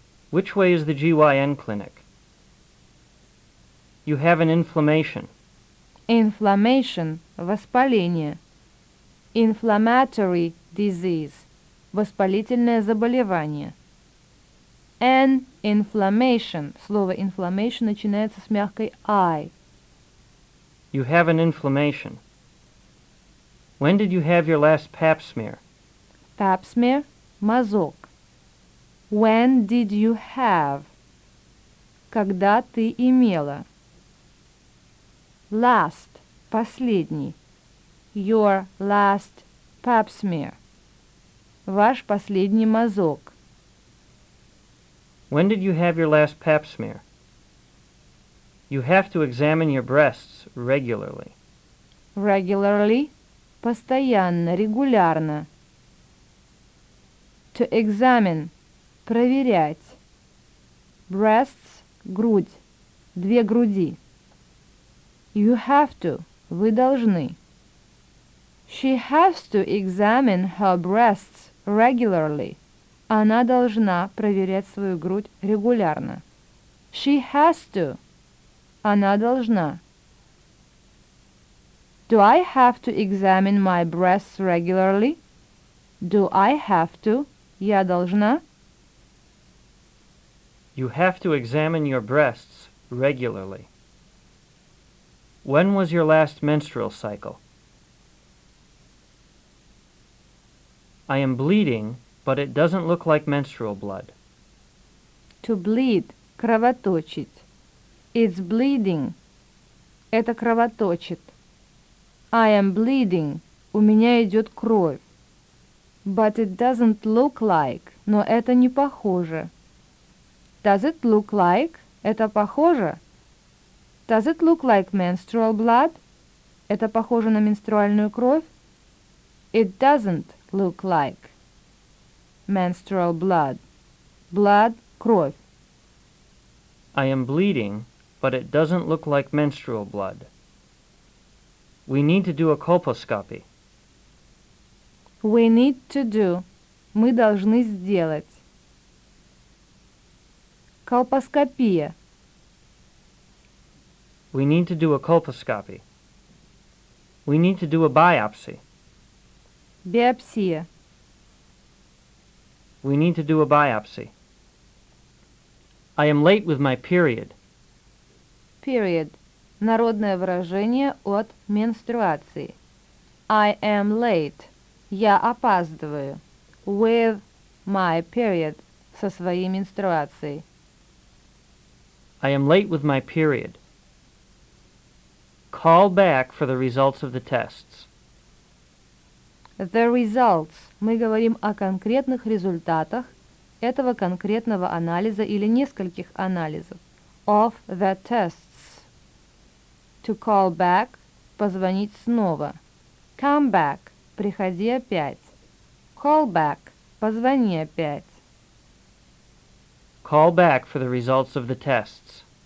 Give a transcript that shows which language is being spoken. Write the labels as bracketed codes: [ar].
[en] Which way is the GYN clinic? You have an inflammation. [ru] Inflammation – воспаление. [en] Inflammatory disease [ru] – воспалительное заболевание. [en] An inflammation. [ru] Слово inflammation начинается с мягкой I. [en] You have an inflammation. When did you have your last pap smear? Pap smear – мазок. When did you have? [ru] Когда ты имела? [en] Last – последний. Your last pap smear. [ru] Ваш последний мазок. [en] When did you have your last pap smear? You have to examine your breasts regularly. [ru] Regularly – постоянно, регулярно. To examine – проверять. Breasts – грудь, две груди. [en] You have to – [ru] вы должны. [en] She has to examine her breasts regularly. [ru] Она должна проверять свою грудь регулярно. [en] She has to. [ru] Она должна. [en] Do I have to examine my breasts regularly? Do I have to? [ru] Я должна? [en] You have to examine your breasts regularly. When was your last menstrual cycle? I am bleeding, but it doesn't look like menstrual blood. To bleed – кровоточить. It's bleeding – [ru] это кровоточит. [en] I am bleeding [ru] – у меня идет кровь. [en] But it doesn't look like – [ru] но это не похоже. [en] Does it look like – [ru] это похоже. [en] Does it look like menstrual blood – [ru] это похоже на менструальную кровь. [en] It doesn't look like. Menstrual blood. Blood – кровь. I am bleeding, but it doesn't look like menstrual blood. We need to do a colposcopy. We need to do. [ru] Мы должны сделать. Колпоскопия. [en] We need to do a colposcopy. We need to do a biopsy. [ru] Биопсия. [en] We need to do a biopsy. I am late with my period. [ru] Period – народное выражение от менструации. [en] I am late – [ru] я опаздываю. [en] With my period – [ru] со своей менструацией. [en] I am late with my period. Call back for the results of the tests. The results. [ru] Мы говорим о конкретных результатах этого конкретного анализа или нескольких анализов. [en] Of the tests. To call back – [ru] позвонить снова. [en] Come back – [ru] приходи опять. [en] Call back – [ru] позвони опять. [en] Call back for the results of the tests.